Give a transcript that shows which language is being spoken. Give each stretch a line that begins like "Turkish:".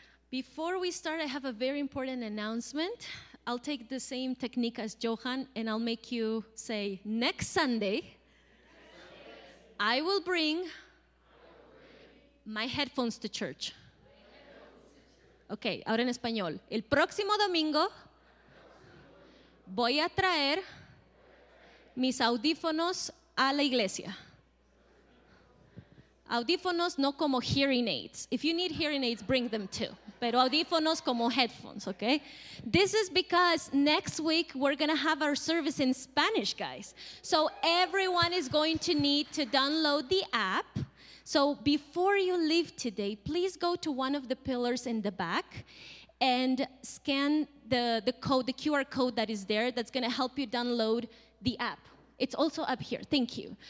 English: Before we start, I have a very important announcement. I'll take the same technique as Johan, and I'll make you say, next Sunday, I will bring my headphones to church.
Spanish: Okay, ahora en español. El próximo domingo voy a traer mis audífonos a la iglesia. Audífonos no como hearing aids.
English: If you need hearing aids, bring them too.
Spanish: Pero audífonos como headphones, okay?
English: This is because next week we're going to have our service in Spanish, guys. So everyone is going to need to download the app. So before you leave today, please go to one of the pillars in the back and scan the code, the QR code that is there that's going to help you download the app. It's also up here. Thank you.